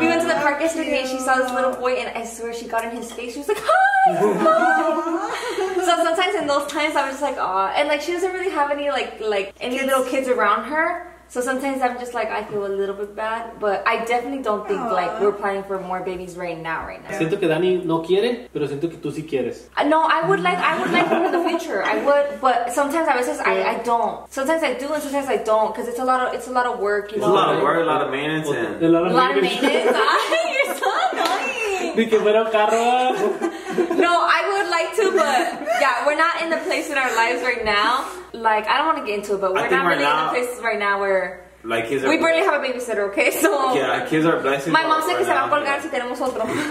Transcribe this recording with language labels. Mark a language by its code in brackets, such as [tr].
[en] We went to the park yesterday and she saw this little boy and I swear she got in his face, she was like, hi! So sometimes in those times I was just like, aw. And like she doesn't really have any like any kids. Little kids around her. So sometimes I'm just like, I feel a little bit bad, but I definitely don't think like we're planning for more babies right now. [es] Siento que Dani no quiere, pero siento que tú sí quieres. [en] No, I would like more in the future. I would, but sometimes I was just, I don't. Sometimes I do and sometimes I don't, because it's a lot of work, you know? It's a lot of work, a lot of maintenance. Well, a lot of maintenance. You're so annoying. [es] De que fuera un carro. [en] No, I would like to, but yeah, we're not in the place in our lives right now. Like, I don't want to get into it, but we're not really in the place right now where Like, kids we barely have a babysitter, okay? So yeah, kids are blessed. My mom said [es] que se va a colgar si tenemos otro.